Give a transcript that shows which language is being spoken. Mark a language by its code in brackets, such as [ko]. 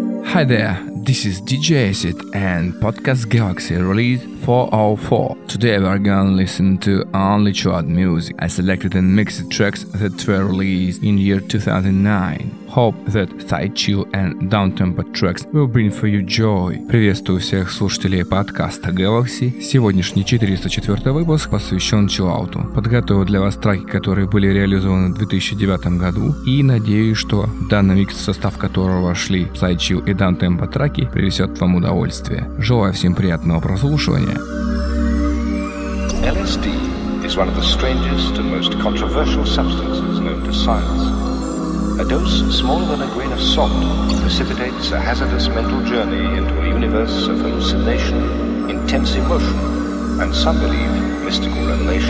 [en] Hi there, this is DJ Acid and Podcast Galaxy Release 404. Today we are gonna listen to only chart music. I selected and mixed tracks that were released in year 2009. Hope that side chill and downtempo tracks will bring for you joy. [ru] Приветствую всех слушателей подкаста Galaxy. Сегодняшний 404 выпуск посвящен чиллауту. Подготовил для вас треки, которые были реализованы в 2009 году. И надеюсь, что данный микс, в состав которого вошли side chill и downtempo треки, принесет вам удовольствие. Желаю всем приятного прослушивания. [en] LSD is one of the strangest and most controversial substances known to science. A dose smaller than a grain of salt precipitates a hazardous mental journey into a universe of hallucination, intense emotion, and some believe mystical revelation.